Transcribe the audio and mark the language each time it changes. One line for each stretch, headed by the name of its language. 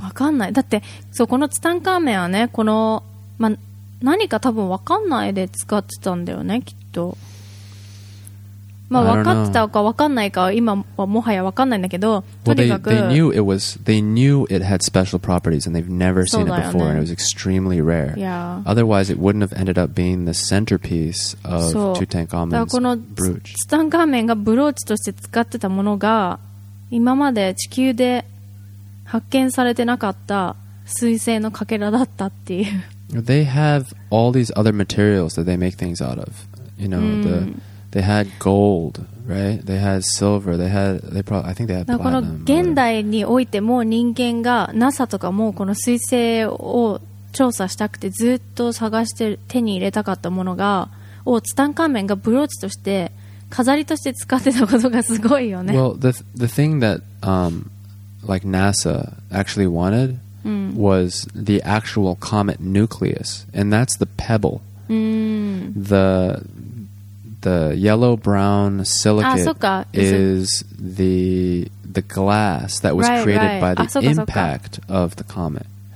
Japanese: 分かんない。だって、そう、このツタンカーメンはね、この、まあ、何か多分分かんないで使ってたんだよね、きっと。まあ、分かってたか分かんないかは今はもはや分かんないんだけど、
English: well,
Japanese: とにかく。
English: They knew it was, they knew it had special properties and they've never seen it before、ね、 and it was extremely rare. Yeah. Otherwise, it wouldn't have ended up being the centerpiece of Tutankhamun's brooch.
Japanese: だからこのツタンカーメンがブローチとして使ってたものが、今まで地球で発見されてなかった彗星のかけらだったっていう。
English: They have all these other materials that they make things out of. You know, the... They had gold, right? They had silver. They had, they probably, I think they had platinum.
Japanese: この現代においても人間が NASA とかもこの彗星を調査したくてずっと探して手に入れたかったものが、をツタンカーメンがブローチとして飾りとして使ってたことがすごいよね。
English: Well, the thing that like NASA actually wanted、 mm. was the actual comet nucleus, and that's the pebble.、 Mm. The yellow brown silicate is the glass that was created by the impact of the comet.